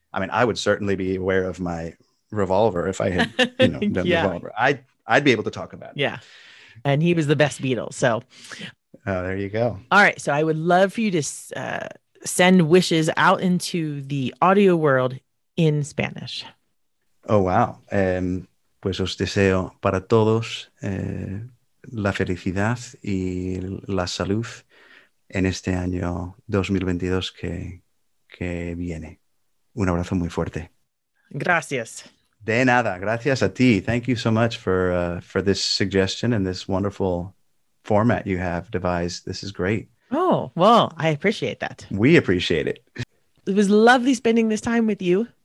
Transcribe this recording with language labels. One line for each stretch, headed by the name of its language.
English: I mean, I would certainly be aware of my Revolver if I had, you know, done Revolver. I'd be able to talk about it. Yeah. And he was the best Beatle. So there you go. All right. So I would love for you to send wishes out into the audio world in Spanish. Oh, wow.
Spanish: Pues os deseo para todos la felicidad y la salud en este año 2022 que viene. Un abrazo muy fuerte. Gracias. De nada. Gracias a ti.
English: Thank you so much for this suggestion and this wonderful format you have devised. This is great. Oh, well, I appreciate that. We appreciate it. It was lovely spending this time with you.